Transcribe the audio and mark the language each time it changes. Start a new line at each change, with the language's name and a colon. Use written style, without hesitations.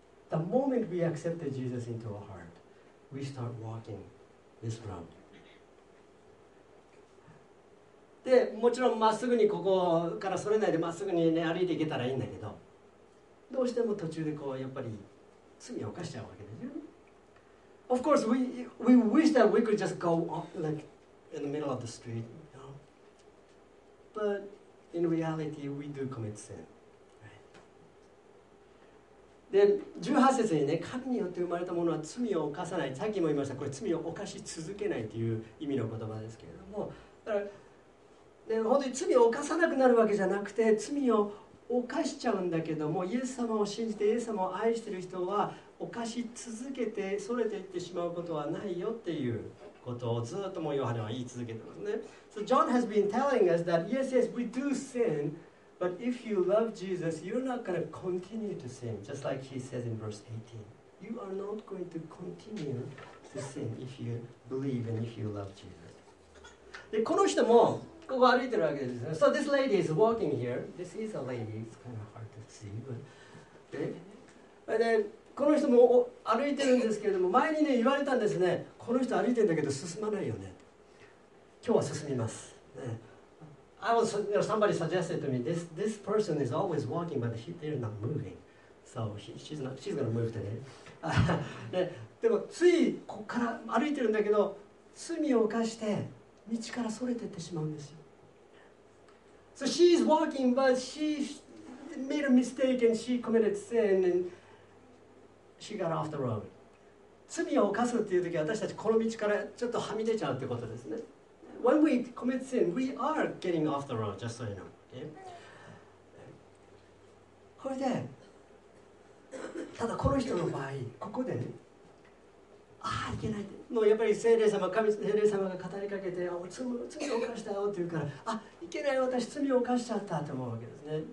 English: The moment we accepted Jesus into our heart, we start walking this road.
Japanese: でもちろんまっすぐにここからそれないでまっすぐに、ね、歩いていけたらいいんだけど、どうしても途中でこうやっぱり罪を犯しちゃうわけですよ。
English: Of course, we wish that we could just go on, like in the middle of the street, you know? But in reality, we do commit sin.、 Right?
Japanese: で18節にね、神によって生まれたものは罪を犯さない。さっきも言いました、これ罪を犯し続けないという意味の言葉ですけれども。だからで本当に罪を犯さなくなるわけじゃなくて、罪を犯しちゃうんだけども、イエス様を信じてイエス様を愛している人は犯し続けてそれていってしまうことはないよっていうことをずっともヨハネは言い続けてますね。
English: So John has been telling us that yes, yes, we do sin, but if you love Jesus, you're not going to continue to sin, just like he says in verse 18. You are not going to continue to sin if you believe and if you love Jesus.
Japanese: でこの人もここ歩いてるわけですね。
English: So this lady is walking here. This is a lady. It's kind of hard to see. But...
Japanese: でこの人も歩いてるんですけれども、前にね言われたんですね。この人歩いてんだけど進まないよね。今日は進みます。
English: I was, you know, somebody suggested to me, this person is always walking, but they're not moving. So she's going to move today.
Japanese: でもついこっから歩いてるんだけど、罪を犯して、道からそれてってしまうんですよ。
English: So she's walking, but she made a mistake and she committed sin and she got off the road.
Japanese: 罪を犯すっていう時は私たちこの道からちょっとはみ出ちゃうってことですね。
English: When we commit sin, we are getting off the road, just so you know.、Okay?
Japanese: これで、ただこの人の場合、ここで、ね、ああ、いけないって。もうやっぱり聖霊様、神聖霊様が語りかけて、罪を犯したよって言うから、あ、いけない、私、罪を犯しちゃったと思うわけですね。